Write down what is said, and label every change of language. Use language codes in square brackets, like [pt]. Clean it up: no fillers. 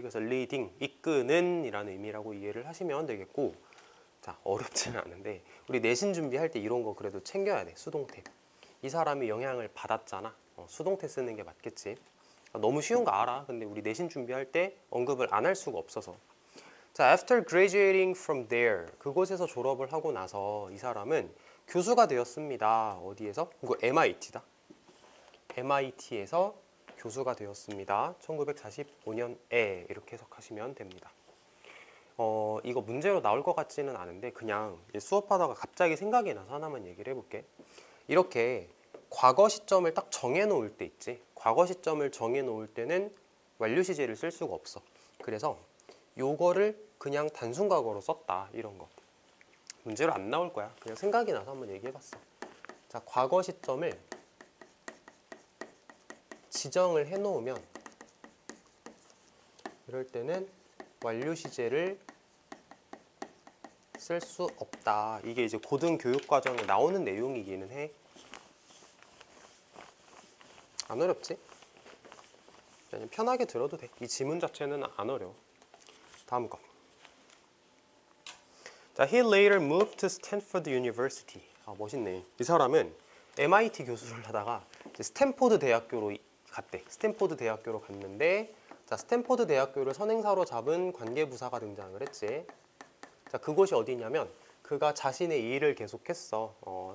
[ko] 그래서 리딩, 이끄는 이라는 의미라고 이해를 하시면 되겠고. 자, 어렵진 않은데 우리 내신 준비할 때 이런 거 그래도 챙겨야 돼. 수동태. 이 사람이 영향을 받았잖아. 수동태 쓰는 게 맞겠지. 너무 쉬운 거 알아. 근데 우리 내신 준비할 때 언급을 안할 수가 없어서. [en] 자, after graduating from there. [ko] 그곳에서 졸업을 하고 나서 이 사람은 교수가 되었습니다. 어디에서? 이거 MIT다. MIT에서 교수가 되었습니다. 1945년에 이렇게 해석하시면 됩니다. 이거 문제로 나올 것 같지는 않은데 그냥 수업하다가 갑자기 생각이 나서 하나만 얘기를 해볼게. 이렇게 과거 시점을 딱 정해놓을 때 있지. 과거 시점을 정해놓을 때는 완료 시제를 쓸 수가 없어. 그래서 요거를 그냥 단순 과거로 썼다. 이런 거. 문제로 안 나올 거야. 그냥 생각이 나서 한번 얘기해봤어. 자, 과거 시점을 지정을 해놓으면 이럴 때는 완료 시제를 쓸수 없다. 이게 이제 고등 교육 과정에 나오는 내용이기는 해. 안 어렵지? 그냥 편하게 들어도 돼. 이 지문 자체는 안 어려워. 다음 거. [en] 자, he later moved to Stanford University. [ko] 아, 멋있네. 이 사람은 MIT 교수를 하다가 이제 스탠포드 대학교로 갔대. 스탠포드 대학교로 갔는데, 자, 스탠포드 대학교를 선행사로 잡은 관계부사가 등장을 했지. 자, 그곳이 어디냐면, 그가 자신의 일을 계속했어.